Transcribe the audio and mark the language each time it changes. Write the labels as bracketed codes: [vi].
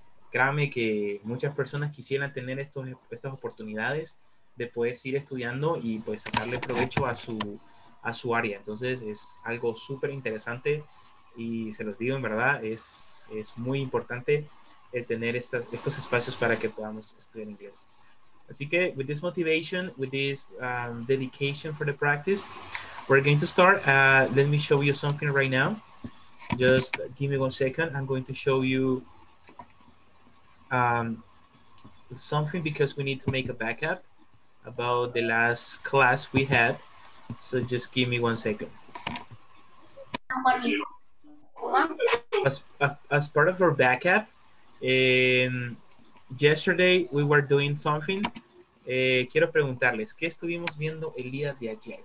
[es] Créame que muchas personas quisieran tener estas oportunidades de poder ir estudiando y pues sacarle provecho a su área. Entonces es algo súper interesante y se los digo, en verdad es muy importante el tener estos espacios para que podamos estudiar inglés. Así que [en] with this motivation, with this dedication for the practice, we're going to start. Let me show you something right now. Just give me 1 second. I'm going to show you something because we need to make a backup about the last class we had. So just give me 1 second. as part of our backup, yesterday we were doing something. [es] Quiero preguntarles, ¿qué estuvimos viendo el día de ayer?